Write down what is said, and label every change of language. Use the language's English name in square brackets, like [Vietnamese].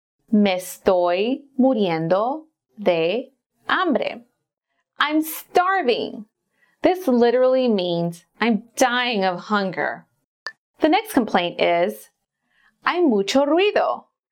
[Spanish] Me estoy muriendo de hambre. [English] I'm starving. This literally means I'm dying of hunger. The next complaint is, [Spanish] Hay mucho ruido.